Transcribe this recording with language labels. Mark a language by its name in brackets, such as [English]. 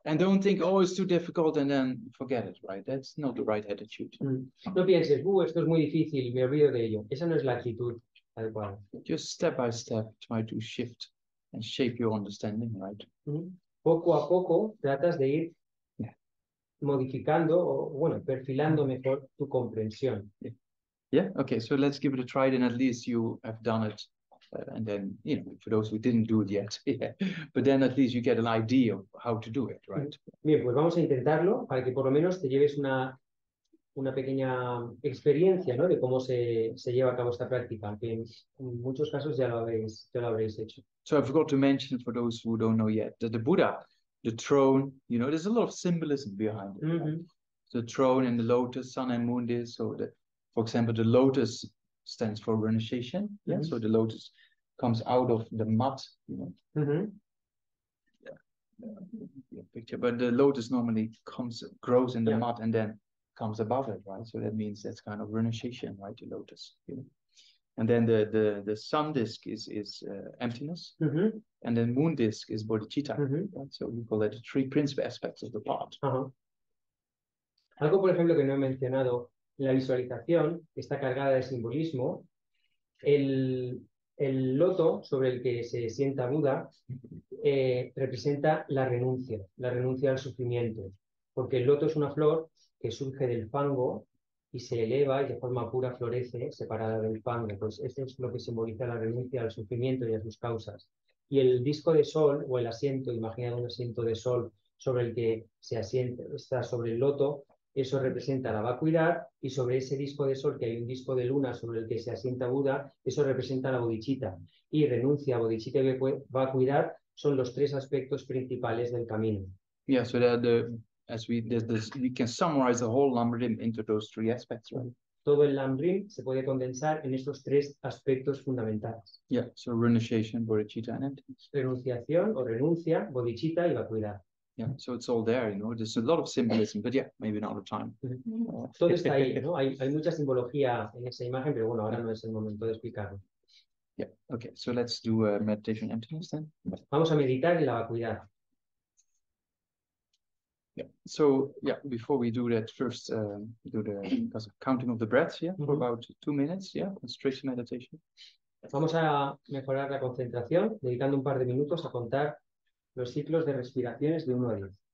[English] And don't think, oh, it's too difficult and then forget it, right? That's not the right attitude. Mm. [Spanish] No pienses, esto es muy difícil, me olvido de ello. Esa no es la actitud adecuada. [English] Just step by step, try to shift and shape your understanding, right? Mm-hmm. [Spanish] Poco a poco, tratas de ir modificando, o bueno, perfilando mejor tu comprensión. [English] Yeah, okay, so let's give it a try, then at least you have done it, and then, you know, for those who didn't do it yet, yeah, but then at least you get an idea of how to do it, right? [Spanish] Bien, pues vamos a intentarlo, para que por lo menos te lleves una pequeña experiencia, ¿no?, de cómo se lleva a cabo esta práctica, que en muchos casos ya lo habréis hecho. [English] So I forgot to mention, for those who don't know yet, that the Buddha, the throne, you know, there's a lot of symbolism behind it. Mm-hmm. Right? The throne and the lotus, sun and moon, this. So, for example, the lotus stands for renunciation. Mm-hmm. Yeah? So the lotus comes out of the mud, you know. Mm-hmm. Yeah, picture. But the lotus normally grows in the mud and then comes above it, right? So that means that's kind of renunciation, right? The lotus, you know. And then the sun disk is emptiness. Mm-hmm. And then moon disk is bodhicitta. Mm-hmm. So we call that the three principal aspects of the part. Uh-huh. [Spanish] Algo, por ejemplo, que no he mencionado, la visualización está cargada de simbolismo. El loto sobre el que se sienta Buda representa la renuncia al sufrimiento. Porque el loto es una flor que surge del fango y se eleva y de forma pura florece, separada del fango. Pues eso es lo que simboliza la renuncia al sufrimiento y a sus causas. Y el disco de sol, o el asiento, imagina un asiento de sol sobre el que se asienta, está sobre el loto, eso representa la vacuidad, y sobre ese disco de sol, que hay un disco de luna sobre el que se asienta Buda, eso representa la bodhicitta. Y renuncia, bodhicitta y vacuidad son los tres aspectos principales del camino. [English] Yeah, so that, as we can summarize the whole number into those three aspects, right? [Spanish] todo el LAM RIM se puede condensar en estos tres aspectos fundamentales. [English] Yeah, so renunciation, bodhicitta, and emptiness. [Spanish] Renunciación o renuncia, bodhicitta y vacuidad. [English] Yeah, so it's all there, you know, there's a lot of symbolism, but yeah, maybe not the time. [Spanish] Todo está ahí, ¿no? Hay mucha simbología en esa imagen, pero bueno, ahora no es el momento de explicarlo. [English] Yeah, okay, so let's do a meditation emptiness then. [Spanish] Vamos a meditar en la vacuidad. Yeah. [English] So yeah, before we do that, first do the counting of the breaths, yeah, for about 2 minutes, yeah, concentration meditation. [Spanish] Vamos a mejorar la concentración, dedicando un par de minutos a contar los ciclos de respiraciones de 1 a 10.